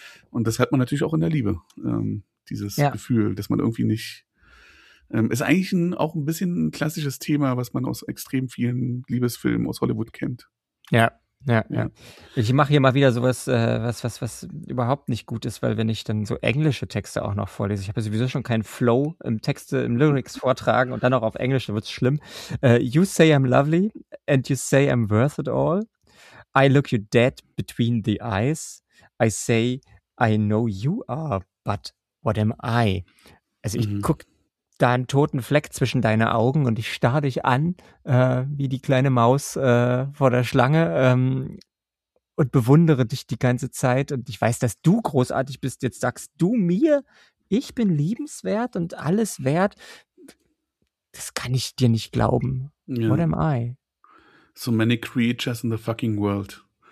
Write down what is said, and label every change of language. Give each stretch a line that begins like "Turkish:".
German: Und das hat man natürlich auch in der Liebe, dieses Gefühl, dass man irgendwie nicht, ist eigentlich auch ein bisschen ein klassisches Thema, was man aus extrem vielen Liebesfilmen aus Hollywood kennt. Ja. Ja. Ich mache hier mal wieder sowas, was überhaupt nicht gut ist, weil wenn ich dann so englische Texte auch noch vorlese, ich habe ja sowieso schon keinen Flow im Texte, im Lyrics vortragen und dann auch auf Englisch, dann wird es schlimm.
English: You say I'm lovely and you say I'm worth it all. I look you dead between the eyes. I say I know you are, but what am I?
German: Also ich gucke da einen toten Fleck zwischen deine Augen und ich starre dich an, wie die kleine Maus vor der Schlange und bewundere dich die ganze Zeit und ich weiß, dass du großartig bist. Jetzt sagst du mir, ich bin liebenswert und alles wert. Das kann ich dir nicht glauben.
English: Ja. What am I? So many creatures in the fucking world.